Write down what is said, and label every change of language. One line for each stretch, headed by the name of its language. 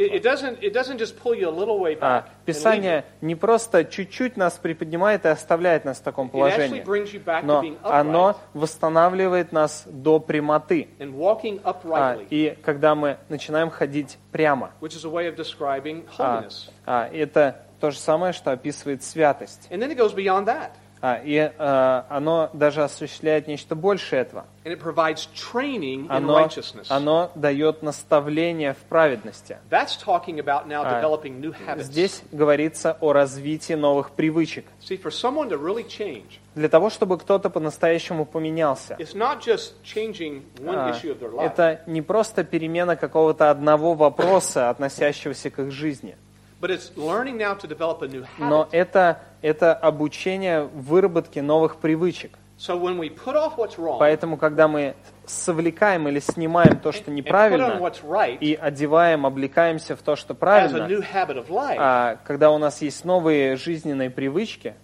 English: It doesn't just pull you a little way back.
Russian: Писание не просто чуть-чуть нас приподнимает и оставляет нас в таком положении.
English: It actually brings you back
Russian: но
English: to being upright.
Russian: Оно восстанавливает нас до прямоты.
English: And walking uprightly.
Russian: И когда мы начинаем ходить прямо.
English: Which is a way of describing holiness.
Russian: Это то же самое, что описывает святость.
English: And then it goes beyond that.
Russian: Оно даже осуществляет нечто больше этого.
English: And it provides training in righteousness.
Russian: Оно дает наставление в праведности.
English: That's talking about now developing new habits.
Russian: Здесь говорится о развитии новых привычек.
English: See, for someone to really change,
Russian: для того, чтобы кто-то по-настоящему поменялся,
English: it's not just changing one issue of their life.
Russian: Это не просто перемена какого-то одного вопроса, относящегося к их жизни.
English: But it's learning now to develop a new habit.
Russian: Но это обучение выработке новых привычек.
English: So when we put off what's wrong,
Russian: поэтому, когда мы совлекаем или снимаем то, что неправильно,
English: and put on what's right,
Russian: и одеваем, облекаемся в то, что правильно,
English: as a new habit of life,
Russian: когда у нас есть новые жизненные привычки,